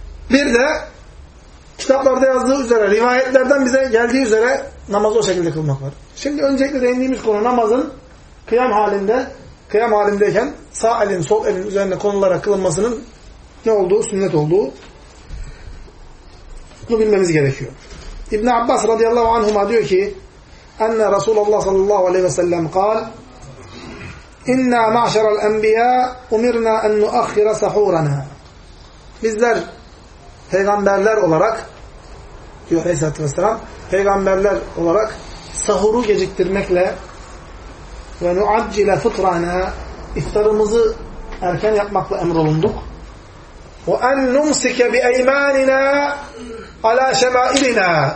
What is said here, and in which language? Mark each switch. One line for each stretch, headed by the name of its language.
Turkish: Bir de kitaplarda yazdığı üzere, rivayetlerden bize geldiği üzere namazı o şekilde kılmak var. Şimdi öncelikle değindiğimiz konu namazın kıyam halinde, kıyam halindeyken sağ elin, sol elin üzerine konularak kılınmasının ne olduğu, sünnet olduğu. Bunu bilmemiz gerekiyor.
Arabic: İbn Abbas radıyallahu anhuma
Turkish: diyor ki
Arabic: أن رسول الله صلى الله عليه وسلم قال إنا معشر الأنبياء أمرنا أن نؤخر سحورنا.
Turkish: Bizler peygamberler olarak diyor Aleyhisselatü Vesselam, peygamberler olarak sahuru geciktirmekle ve
Arabic: nuaccile fıtrana,
Turkish: iftarımızı erken yapmakla emrolunduk.
Arabic: وَاَنْ نُمْسِكَ بِاَيْمَانِنَا عَلَى شَمَائِلِنَا.